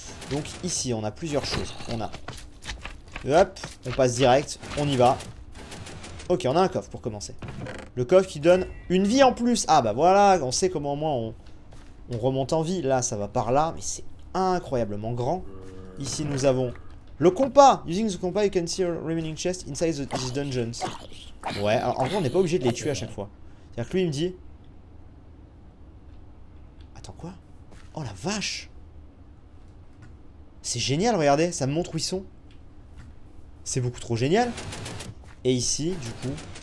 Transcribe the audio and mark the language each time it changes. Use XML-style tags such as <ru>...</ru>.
<fr>Donc ici, on a plusieurs choses. On a... Hop, on passe direct, on y va. Ok, on a un coffre pour commencer. Le coffre qui donne une vie en plus. Ah bah voilà, on sait comment au moins on remonte en vie. Là, ça va par là, mais c'est incroyablement grand. Ici, nous avons le compas.</fr> <en>Using the compas, you can see a remaining chest inside these dungeons.</en> <fr>Ouais, alors en gros, on n'est pas obligé de les tuer à chaque fois. C'est-à-dire que lui, il me dit... Attends, quoi? Oh, la vache! C'est génial, regardez, ça me montre où ils sont. C'est beaucoup trop génial. Et ici, du coup,</fr>